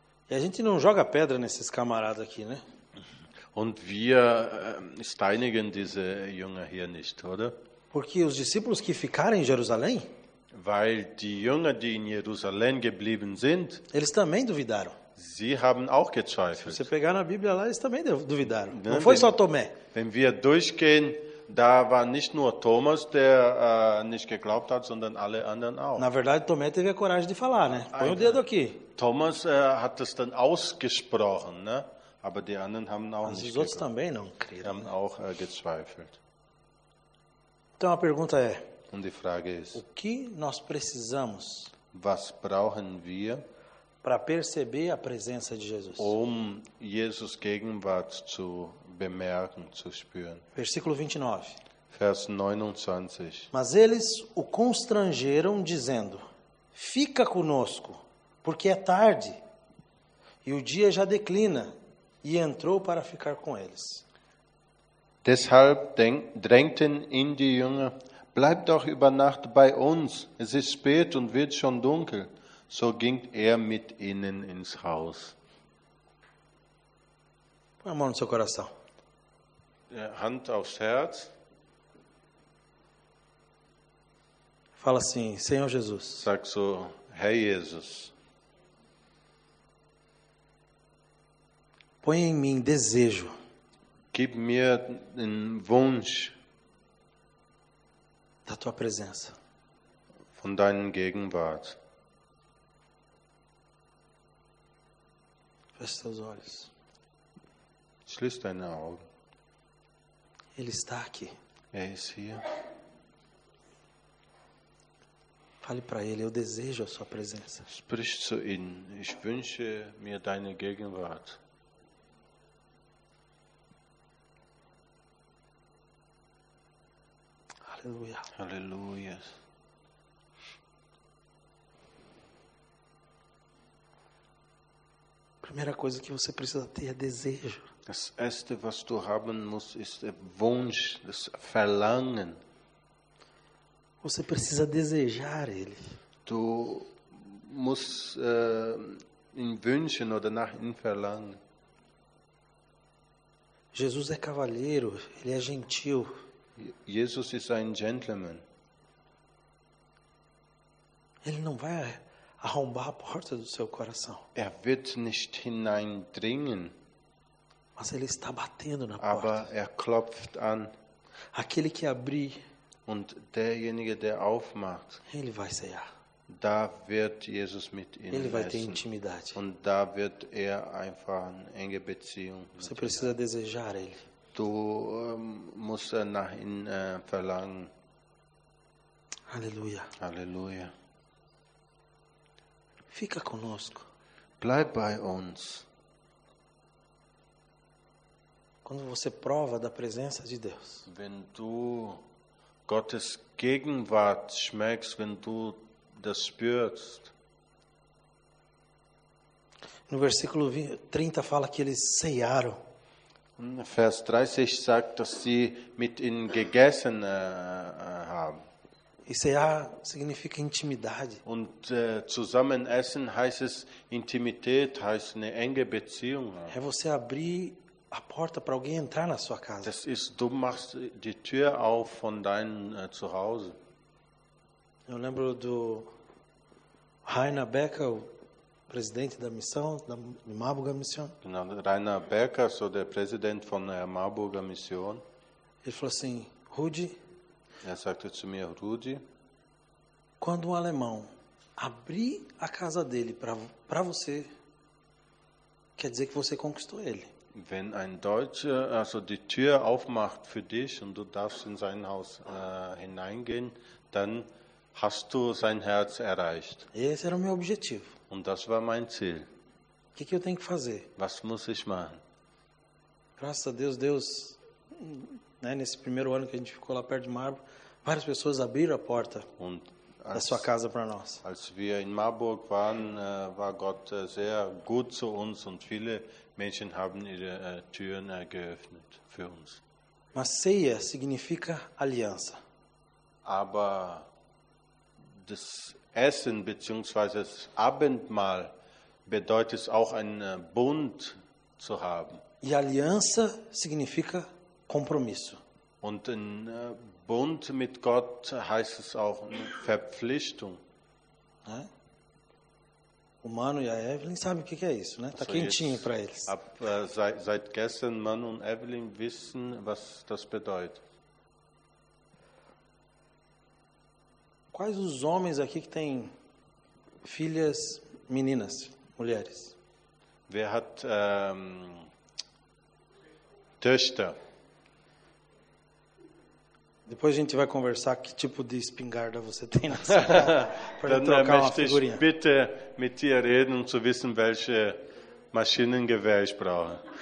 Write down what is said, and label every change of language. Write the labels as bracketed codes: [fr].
[pt] E a gente não joga pedra nesses camaradas aqui, né? [de] Und wir steinigen diese Jünger hier nicht, oder? [pt] Porque os discípulos que ficaram em Jerusalém, [de] weil die Jünger, die in Jerusalém geblieben sind, [pt] eles também duvidaram. [de] Sie haben auch gezweifelt. [pt] Se você pegar na Bíblia lá, eles também duvidaram. Não, não foi só Tomé. [de] Wenn wir durchgehen, da war nicht nur Thomas, der nicht geglaubt hat, sondern alle anderen auch. [pt] Na verdade, Tomé teve a coragem de falar, né? Põe o dedo aqui. [de] Thomas hat es dann ausgesprochen, ne? Aber die anderen haben auch [pt] Mas [de] nicht geglaubt. [pt] Os outros também não creram. [de] Sie haben auch gezweifelt. [pt] Então a pergunta é, [de] und die Frage ist, [pt] o que nós precisamos, [de] was brauchen wir, [pt] para perceber a presença de Jesus? [de] Jesus Gegenwart zu bemerken, zu spüren. [pt] Versículo 29. [de] Vers 29. [pt] Mas eles o constrangeram, dizendo, fica conosco, porque é tarde, e o dia já declina, e entrou para ficar com eles. [de] Deshalb drängten ihn die Jünger, bleib doch über Nacht bei uns, es ist spät und wird schon dunkel. So ging er mit ihnen ins Haus. [pt] Põe a mão no seu coração. [de] Hand aufs Herz. [pt] Fala assim, Senhor Jesus. [de] Sag so, Herr Jesus. [pt] Põe em mim desejo. [de] Gib mir den Wunsch. [pt] Da tua presença. [de] Von deiner Gegenwart. [pt] Feche seus olhos. [de] Schließ deine Augen. [pt] Ele está aqui. [de] Er ist hier. [pt] Fale para ele, eu desejo a sua presença. [de] Sprich zu ihm, ich wünsche mir deine Gegenwart. [pt] Aleluia. Aleluia. Primeira coisa que você precisa ter é desejo. [de] Das erste, was du haben musst, ist der Wunsch, das Verlangen. [pt] Você precisa desejar ele. [de] Du musst ihn wünschen oder nach ihm verlangen. [pt] Jesus é cavalheiro, ele é gentil. [de] Jesus ist ein Gentleman. [pt] Ele não vai arrombar a porta do seu coração. [de] Er wird nicht hineindringen. [pt] Mas ele está batendo na porta. [de] Aber er klopft an. [pt] Aquele que abrir. [de] Und derjenige, der aufmacht. [pt] Ele vai ceiar. [de] Da wird Jesus mit ihm essen. [pt] Ele vai ter intimidade. [de] Und da wird er einfach eine enge Beziehung. [pt] Você precisa desejar ele. [de] Du musst nach ihm verlangen. Halleluja. Halleluja. [pt] Fica conosco. [de] Bleib bei uns. [pt] Quando você prova da presença de Deus. [de] Wenn du Gottes Gegenwart schmeckst, wenn du das spürst. [pt] No versículo 30 fala que eles ceiaram. [de] Vers 30 sagt, dass sie mit ihm gegessen haben. [pt] Ceiar significa intimidade. [de] Und zusammen essen heißt es Intimität, heißt eine enge Beziehung. [pt] É você abrir a porta para alguém entrar na sua casa. [de] Das ist, du machst die Tür auf von deinem Zuhause. [pt] Eu lembro do Rainer Becker, o presidente da missão, da Marburger Mission. [de] Rainer Becker, sou der Präsident von der Marburger Mission. [pt] Ele falou assim, Rudi. [de] Er sagte zu mir, Rudi. [pt] Quando um alemão abrir a casa dele para você, quer dizer que você conquistou ele. [de] Wenn ein Deutscher also die Tür aufmacht für dich und du darfst in sein Haus hineingehen, dann hast du sein Herz erreicht. [pt] Esse era o meu objetivo. [de] Und das war mein Ziel. [pt] Que eu tenho que fazer? [de] Was muss ich machen? [pt] Graças a Deus, Deus, né, nesse primeiro ano que a gente ficou lá perto de Marburg, várias pessoas abriram a porta [de] und [pt] da als, sua casa para nós. [de] Als wir in Marburg waren, war Gott sehr gut zu uns und viele Menschen haben ihre Türen geöffnet für uns. [pt] Mas ceia significa aliança. [de] Aber das Essen bzw. das Abendmahl bedeutet auch einen Bund zu haben. [pt] E aliança significa compromisso. [de] Und ein Bund mit Gott heißt es auch eine Verpflichtung. [pt] É? O Manu e a Evelyn sabem o que é isso, né? Tá quentinho para eles. [de] Seit gestern Manu und Evelyn wissen, was das bedeutet. [pt] Quais os homens aqui que têm filhas, meninas, mulheres? [de] Wer hat Töchter? [pt] Depois a gente vai conversar que tipo de espingarda você tem na sua para trocar uma figurinha. [de] Bitte mit dir reden, um zu wissen, welche Maschinengewehr ich brauche.